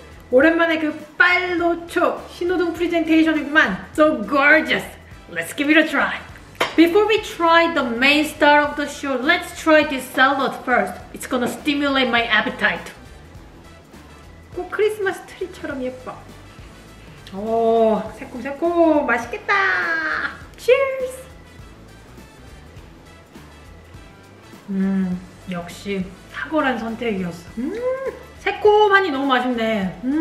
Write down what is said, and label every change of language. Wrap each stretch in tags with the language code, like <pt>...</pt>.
<ko>오랜만에 그 빨로초 신호등 프레젠테이션이구만.</ko> <en>So gorgeous! Let's give it a try. Before we try the main star of the show, let's try this salad first. It's gonna stimulate my appetite.</en> <ko>꼭 크리스마스 트리처럼 예뻐. 오, 새콤새콤 맛있겠다. Cheers! 역시 탁월한 선택이었어. 새콤하니 너무 맛있네.</ko>